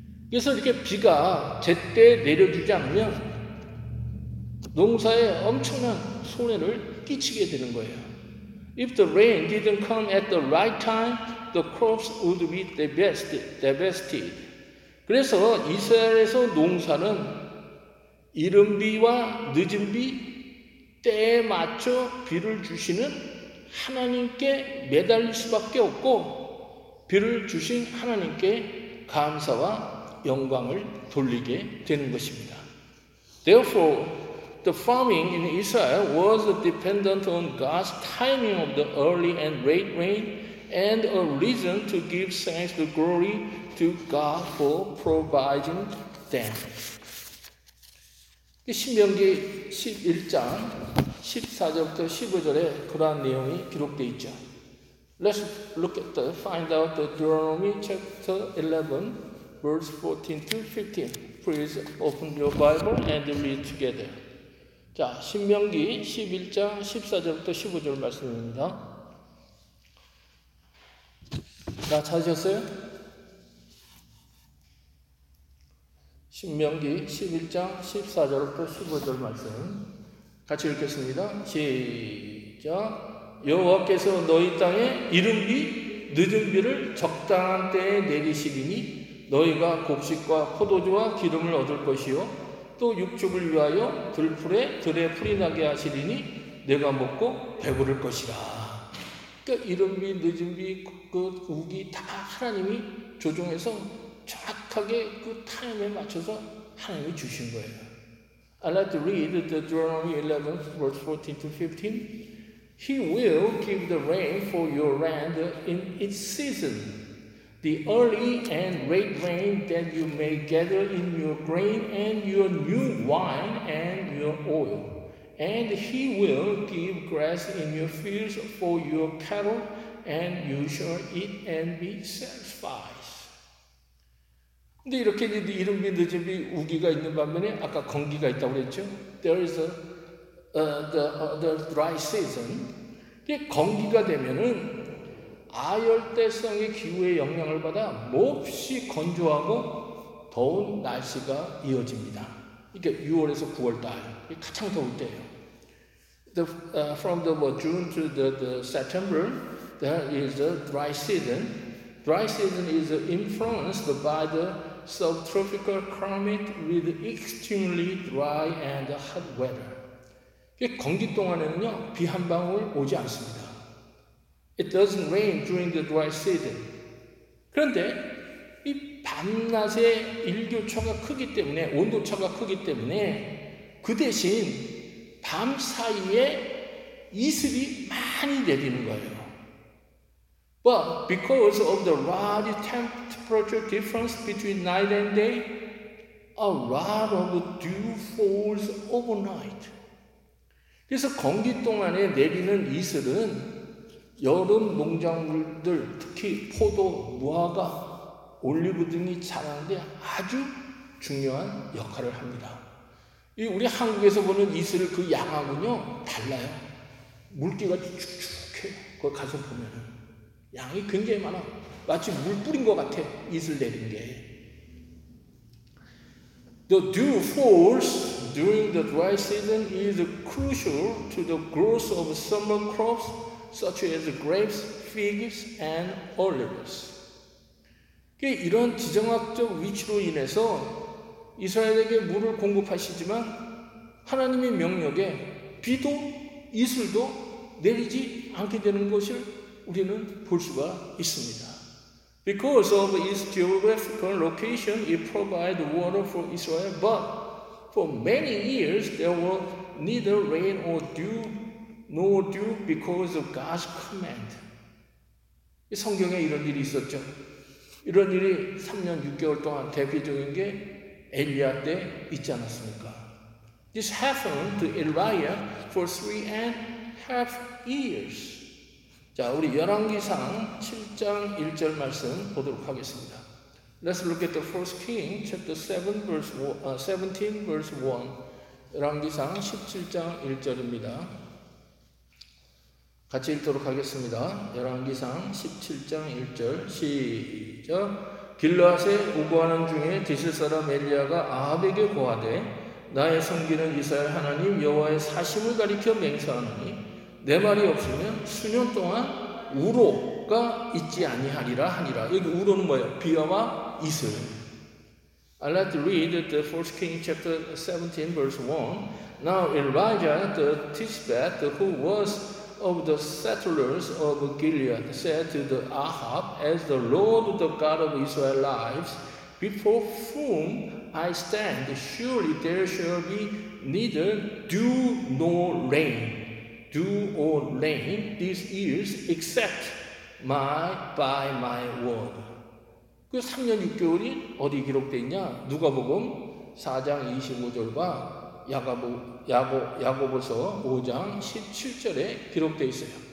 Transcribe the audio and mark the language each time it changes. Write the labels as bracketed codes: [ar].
[ko] 그래서 이렇게 비가 제때 내려주지 않으면 농사에 엄청난 손해를 끼치게 되는 거예요. [en] If the rain didn't come at the right time, the crops would be devastated. [ko] 그래서 이스라엘에서 농사는 이른비와 늦은비 때에 맞춰 비를 주시는 하나님께 매달릴 수밖에 없고 비를 주신 하나님께 감사와 영광을 돌리게 되는 것입니다. [en] Therefore, the farming in Israel was dependent on God's timing of the early and late rain and a reason to give thanks the glory to God for providing them. [ko] 신명기 11장 14절부터 15절에 그러한 내용이 기록되어 있죠. [en] Let's look at the find out the Deuteronomy chapter 11 verse 14 to 15. Please open your Bible and read together. [ko] 자, 신명기 11장 14절부터 15절 말씀입니다. 자, 찾으셨어요? 신명기 11장 14절부터 15절 말씀 같이 읽겠습니다. 시작. 여호와께서 너희 땅에 이른비 늦은비를 적당한 때에 내리시리니 너희가 곡식과 포도주와 기름을 얻을 것이요 또 육축을 위하여 들풀에 들에 풀이 나게 하시리니 내가 먹고 배부를 것이라. 그러니까 이른비 늦은비 그 우기 다 하나님이 조종해서 정확하게 그 타임에 맞춰서 하나님이 주신 거예요. [en] I'd like to read Deuteronomy 11, verse 14 to 15. He will give the rain for your land in its season, the early and late rain that you may gather in your grain and your new wine and your oil. And he will give grass in your fields for your cattle, and you shall eat and be satisfied. [ko] 근데 이렇게 이른비 늦은비 우기가 있는 반면에 아까 건기가 있다고 그랬죠. [en] There is the dry season. [ko] 이게 건기가 되면은 아열대성의 기후의 영향을 받아 몹시 건조하고 더운 날씨가 이어집니다. 이게 6월에서 9월 달 가장 더울 때예요. [en] From June to September, there is a dry season. Dry season is influenced by the subtropical climate with extremely dry and hot weather. [ko] 건기 동안에는요 비 한 방울 오지 않습니다. [en] It doesn't rain during the dry season. [ko] 그런데 이 밤낮의 일교차가 크기 때문에 온도차가 크기 때문에 그 대신 밤 사이에 이슬이 많이 내리는 거예요. [en] But because of the large temperature difference between night and day, a lot of dew falls overnight. [ko] 그래서 건기 동안에 내리는 이슬은 여름 농작물들, 특히 포도, 무화과, 올리브 등이 자라는데 아주 중요한 역할을 합니다. 이 우리 한국에서 보는 이슬 그 양하고는요, 달라요. 물기가 축축해요. 그걸 가서 보면은. 양이 굉장히 많아. 마치 물 뿌린 것 같아. 이슬 내린 게. [en] The dew falls during the dry season is crucial to the growth of summer crops such as grapes, figs, and olives. [ko] 이런 지정학적 위치로 인해서 이스라엘에게 물을 공급하시지만 하나님의 명령에 비도 이슬도 내리지 않게 되는 것을 우리는 볼 수가 있습니다. [en] Because of its geographical location, it provides water for Israel, but for many years there was neither rain or dew, nor dew because of God's command. [ko] 성경에 이런 일이 있었죠. 이런 일이 3년 6개월 동안 대표적인 게 엘리야 때 있지 않았습니까? [en] This happened to Elijah for 3.5 years. [ko] 자, 우리 열왕기상 7장 1절 말씀 보도록 하겠습니다. [en] Let's look at the first king, chapter 7, verse 17, verse 1. [ko] 열왕기상 17장 1절입니다. 같이 읽도록 하겠습니다. 열왕기상 17장 1절, 시작! 길르앗에 우거하는 중에 디실 사람 엘리야가 아합에게 고하되 나의 섬기는 이스라엘 하나님 여호와의 사심을 가리켜 맹세하노니 내 말이 없으면 수년 동안 우로가 있지 아니하리라 하니라. 여기 우로는 뭐예요? 비와 이슬. [en] I'd like to read the First Kings chapter 17 verse 1. Now Elijah the Tishbite, who was of the settlers of Gilead, said to the Ahab, As the Lord, the God of Israel lives, before whom I stand, surely there shall be neither dew nor rain. Dew or rain these years except by my word. [ko] 그 3년 6개월이 어디 기록되어 있냐? 누가복음 4장 25절과 야고보서 5장 17절에 기록되어 있어요.